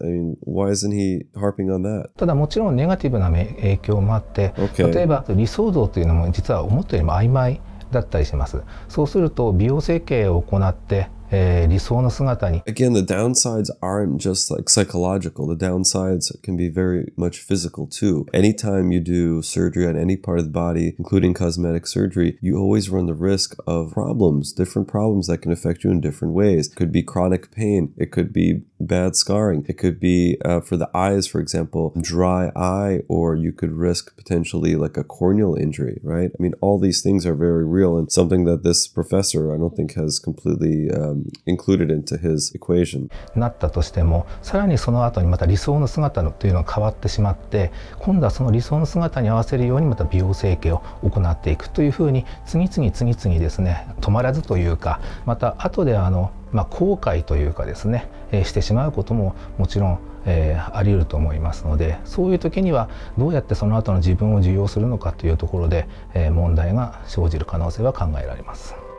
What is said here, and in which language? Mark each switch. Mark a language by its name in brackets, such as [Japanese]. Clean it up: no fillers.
[English] I mean, why isn't he harping on that? [Japanese] ただもちろんネガティブな影響もあって、 [English] okay. [Japanese] 例えば理想像というのも実は思ったよりも曖昧だったりします。そうすると美容整形を行って、理想の姿に。 [English] Again, the downsides aren't just like psychological. The downsides can be very much physical too. Anytime you do surgery on any part of the body, including cosmetic surgery, you always run the risk of problems, different problems that can affect you in different ways. It could be chronic pain. It could be bad scarring. It could be for the eyes, for example, dry eye, or you could risk potentially like a corneal injury, right? I mean, all these things are very real and something that this professor, I don't think, has completely included into his equation. [Japanese] なったとしてもさらにその後にまた理想の姿のというのが変わってしまって、今度はその理想の姿に合わせるようにまた美容整形を行っていくというふうに次々ですね、止まらずというか、また後で後悔というかですね、してしまうことももちろん、あり得ると思いますので、そういう時にはどうやってその後の自分を受容するのかというところで、問題が生じる可能性は考えられます。